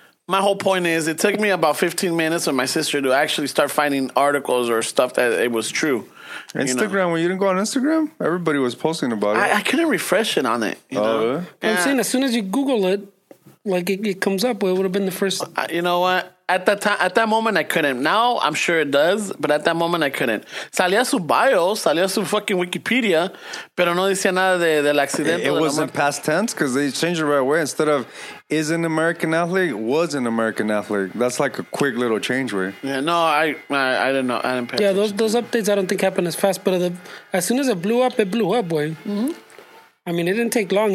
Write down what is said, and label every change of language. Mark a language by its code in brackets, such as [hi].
[en] My whole point is it took me about 15 minutes with my sister to actually start finding articles or stuff that it was true. Instagram, when you didn't go on Instagram? Everybody was posting about it. I couldn't refresh it on it. You know? I'm saying as soon as you Google it, Like it comes up. It would have been the first. You know what? At that time, at that moment, I couldn't. Now I'm sure it does, but at that moment I couldn't. [es] Salía su bio, salía su fucking Wikipedia, pero no decía nada de del accidente. [en] It was in past tense because they changed it right away. Instead of is an American athlete, was an American athlete. That's like a quick little change, right? Yeah, no, I didn't know. I didn't pay. Yeah, those updates I don't think happen as fast, but as soon as it blew up, boy. Mm-hmm. I mean, it didn't take long.